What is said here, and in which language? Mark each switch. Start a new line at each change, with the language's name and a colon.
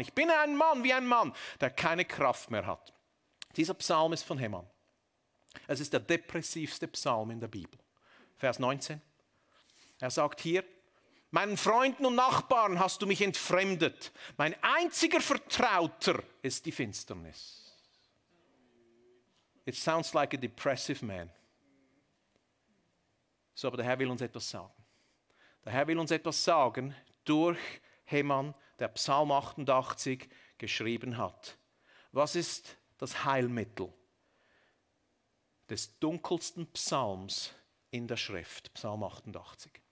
German: Ich bin ein Mann wie ein Mann, der keine Kraft mehr hat. Dieser Psalm ist von Heman. Es ist der depressivste Psalm in der Bibel. Vers 19. Er sagt hier, meinen Freunden und Nachbarn hast du mich entfremdet. Mein einziger Vertrauter ist die Finsternis.
English: It sounds like a depressive man.
German: So, aber der Herr will uns etwas sagen. Der Herr will uns etwas sagen durch Heman, der Psalm 88 geschrieben hat. Was ist das Heilmittel des dunkelsten Psalms in der Schrift? Psalm 88.